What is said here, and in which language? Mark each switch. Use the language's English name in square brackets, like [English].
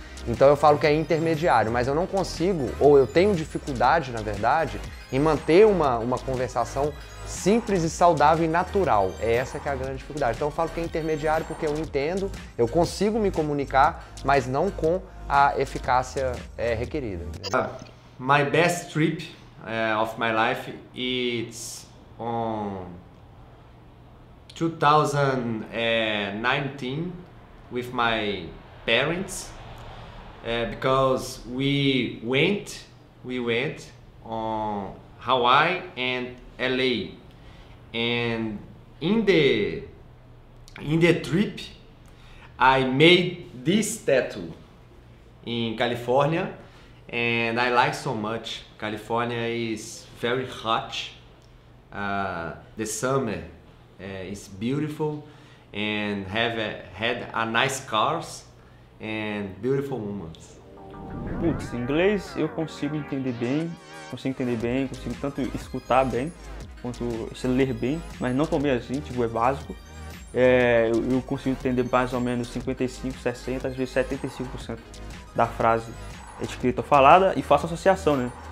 [Portuguese] Então eu falo que é intermediário, mas eu não consigo, ou eu tenho dificuldade, na verdade, em manter uma conversação simples e saudável e natural. É essa que é a grande dificuldade. Então eu falo que é intermediário porque eu entendo, eu consigo me comunicar, mas não com a eficácia requerida. [English] My best trip of my life is on 2019 with my parents because we went on Hawaii and LA. And in the trip, I made this tattoo in California, and I like so much. California is very hot. The summer is beautiful, and had a nice cars and beautiful women. [Portuguese] Putz, inglês eu consigo entender bem, consigo tanto escutar bem quanto ler bem, mas não tão bem assim, tipo, é básico. Eu consigo entender mais ou menos 55, 60, às vezes 75% da frase escrita ou falada e faço associação, né?